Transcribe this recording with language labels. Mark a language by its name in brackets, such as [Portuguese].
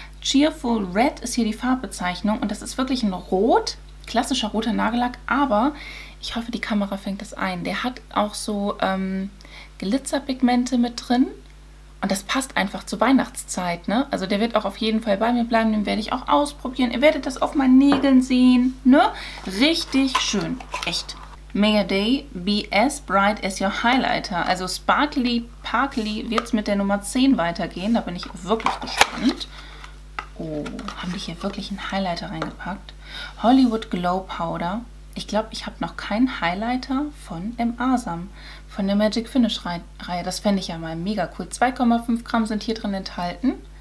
[German] Cheerful Red ist hier die Farbbezeichnung und das ist wirklich ein Rot, klassischer roter Nagellack, aber ich hoffe, die Kamera fängt das ein. Der hat auch so Glitzerpigmente mit drin. Und das passt einfach zur Weihnachtszeit, ne? Also der wird auch auf jeden Fall bei mir bleiben, den werde ich auch ausprobieren. Ihr werdet das auf meinen Nägeln sehen, ne? Richtig schön, echt. [English] May a day be as bright as your highlighter. [German] Also sparkly, parkly wird es mit der Nummer 10 weitergehen. Da bin ich wirklich gespannt. Oh, haben die hier wirklich einen Highlighter reingepackt? Hollywood Glow Powder. Ich glaube, ich habe noch keinen Highlighter von M.A.-Samen. Von der Magic Finish Reihe. Das fände ich ja mal mega cool. 2,5 Gramm sind hier drin enthalten.